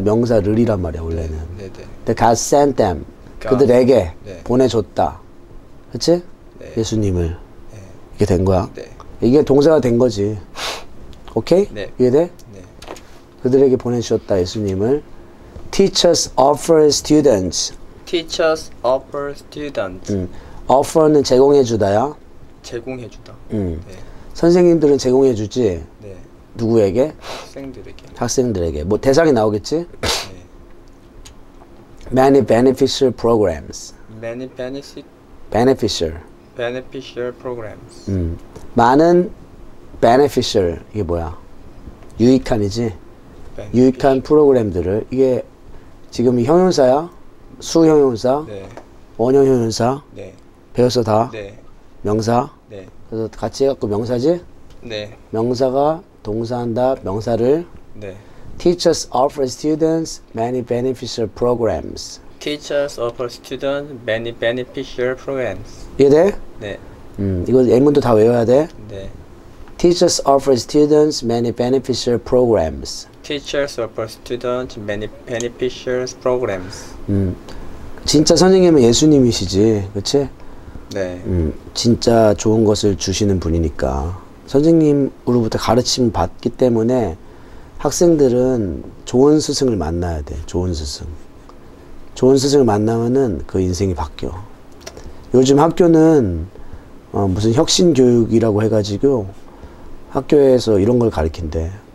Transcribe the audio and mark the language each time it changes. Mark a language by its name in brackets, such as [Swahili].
[Korean] 명사를이란 말이야 원래는. 네네. [English] God sent them. [Korean] 그러니까, 그들에게 네. 보내줬다. 그렇지? 네. 예수님을 네. 이렇게 된 거야. 네. 이게 동사가 된 거지. 오케이? 네. 이해돼? 네. 그들에게 보내주셨다 예수님을. [English] Teachers offer students. Teachers offer students. [Korean] Offer는 제공해주다야. 제공해주다. 네. 선생님들은 제공해주지. 네. 누구에게? 학생들에게. 학생들에게. 뭐 대상이 나오겠지? 네. [English] Many beneficial programs. Many beneficial. Beneficial programs. [Korean] 많은 beneficial 이게 뭐야? 유익한이지. [English] Beneficial. [Korean] 유익한 프로그램들을 이게 지금 형용사야? 수형용사? 네. 원형형용사? 네. 배웠어 다? 네. 명사? 네. 그래서 같이 해갖고 명사지? 네. 명사가 동사한다 명사를 네. [English] Teachers offer students many beneficial programs. Teachers offer students many beneficial programs. [Korean] 이해돼? 네. 이거 예문도 다 외워야 돼? 네. [English] Teachers offer students many beneficial programs. Teachers offer students many beneficial programs. [Korean] 진짜 선생님은 예수님이시지. 그렇지? 네. 진짜 좋은 것을 주시는 분이니까. 선생님으로부터 가르침 받기 때문에 학생들은 좋은 스승을 만나야 돼. 좋은 스승. 좋은 스승을 만나면은 그 인생이 바뀌어. 요즘 학교는 무슨 혁신 교육이라고 해가지고 학교에서 이런 걸 가르친대.